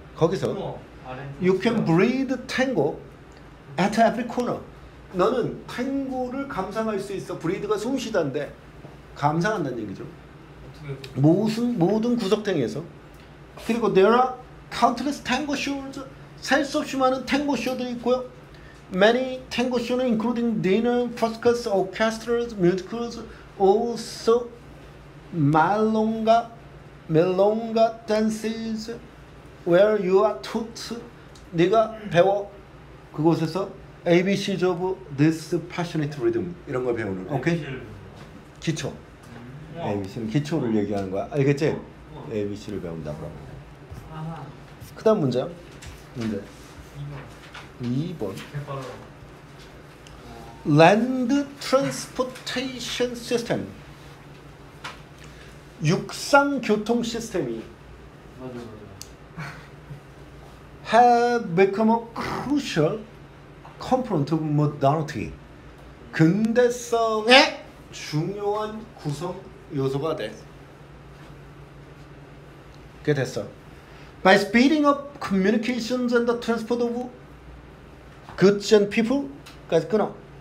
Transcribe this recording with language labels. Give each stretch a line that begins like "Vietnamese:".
Korean: 거기서
English: You can breathe tango at every corner.
Korean: 너는 탱고를 감상할 수 있어. 브리드가 숨 쉬던데 감상한다는 얘기죠. 모든 구석탱이에서. 그리고
English: there are countless tango shows.
Korean: 셀 수 없이 많은 탱고 쇼들이 있고요.
English: Many tango shows including dinner, fuscas, orchestras, musicals, also melonga dances where you are taught.
Korean: 네가 배워 그곳에서
English: ABC's of this passionate rhythm
Korean: 이런 걸 배우는 거야. 오케이? 기초. ABC는 기초를 얘기하는 거야. 알겠지? ABC를 배운다 그럼. 그 다음 문제야. 문제. 2번.
English: Land transportation system.
Korean: 육상 교통 시스템이
English: have become a crucial component of modernity.
Korean: 근대성의 중요한 구성 요소가 됐게 됐어.
English: By speeding up communications and the transport of goods and people
Korean: 까지 끊어.